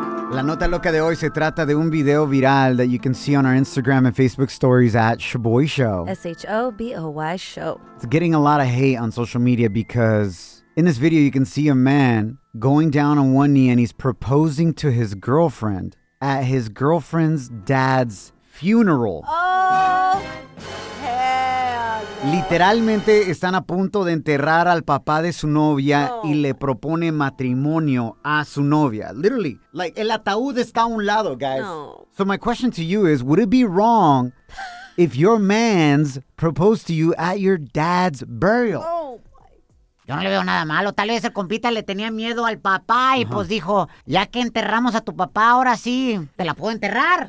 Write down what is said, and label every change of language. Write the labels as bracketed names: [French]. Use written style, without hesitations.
[Spanish] La nota loca de hoy se trata de un video viral [English] that you can see on our Instagram and Facebook stories at Shaboy Show. Shaboy Show. It's getting a lot of hate on social media because in this video you can see a man going down on one knee and he's proposing to his girlfriend at his girlfriend's dad's funeral. Oh, hell. [Spanish] Literalmente están a punto de enterrar al papá de su novia y le propone matrimonio a su novia. [English] Literally, like, [Spanish] el ataúd está a un lado, [English] guys. [Spanish] No. [English] So my question to you is, would it be wrong if your man's proposed to you at your dad's burial? [Spanish] Yo no le veo nada malo. Tal vez el compita le tenía miedo al papá y pues dijo, ya que enterramos a tu papá, ahora sí, te la puedo enterrar.